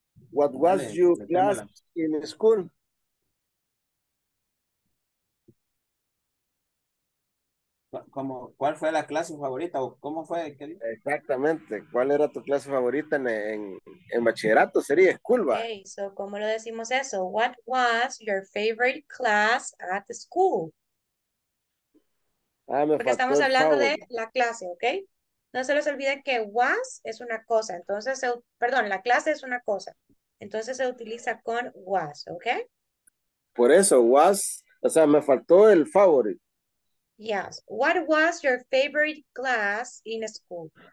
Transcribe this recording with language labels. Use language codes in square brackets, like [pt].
[en] What was vale, your class in school? [es] ¿Cómo, cuál fue la clase favorita o cómo fue? ¿Qué? Exactamente, ¿cuál era tu clase favorita en bachillerato? Sería school, ¿va? Okay, so ¿cómo lo decimos eso? [en] What was your favorite class at the school? [es] Ah, me porque estamos hablando de la clase, ¿ok? No se les olvide que was es una cosa, entonces, perdón, la clase es una cosa. Entonces se utiliza con was, ¿ok? Por eso, was, o sea, me faltó el favorite. [en] Yes. What was your favorite class in school?